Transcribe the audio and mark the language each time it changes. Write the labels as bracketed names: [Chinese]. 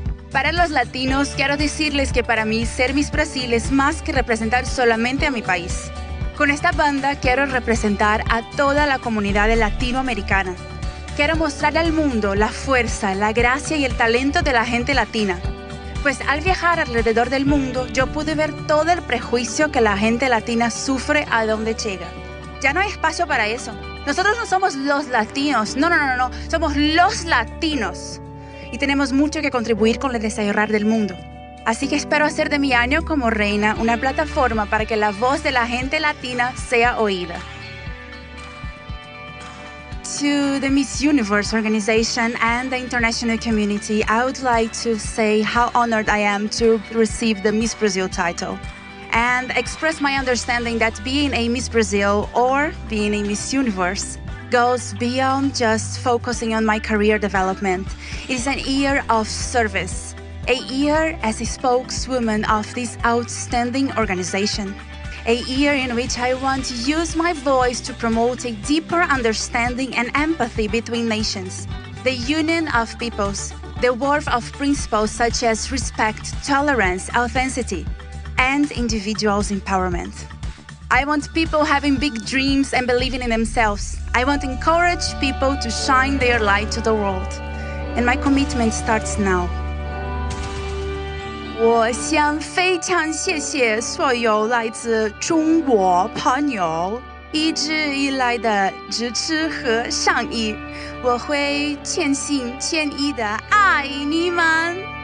[Spanish] Para los latinos, [Portuguese] quero [Spanish] decirles [Portuguese] que para mim, ser Miss Brasil é mais que representar [Spanish] solamente a mi país. [Portuguese] Com esta banda, quero representar a toda a comunidade latino-americana. Quero mostrar ao mundo a força, a graça e o talento da gente latina. [Spanish] Pues al viajar alrededor del mundo, yo pude ver todo el prejuicio que la gente latina sufre a donde llega. Ya no hay espacio para eso. Nosotros no somos los latinos. No. Somos los latinos. Y tenemos mucho que contribuir con el desarrollo del mundo. Así que espero hacer de mi año como reina una plataforma para que la voz de la gente latina sea oída. [English] To the Miss Universe organization and the international community, I would like to say how honored I am to receive the Miss Brazil title and express my understanding that being a Miss Brazil or being a Miss Universe goes beyond just focusing on my career development. It's an year of service, a year as a spokeswoman of this outstanding organization. A year in which I want to use my voice to promote a deeper understanding and empathy between nations, the union of peoples, the worth of principles such as respect, tolerance, authenticity, and individuals' empowerment. I want people having big dreams and believing in themselves. I want to encourage people to shine their light to the world. And my commitment starts now. [Chinese] 我想非常谢谢所有来自中国朋友一直以来的支持和善意，我会虔心虔意的爱你们。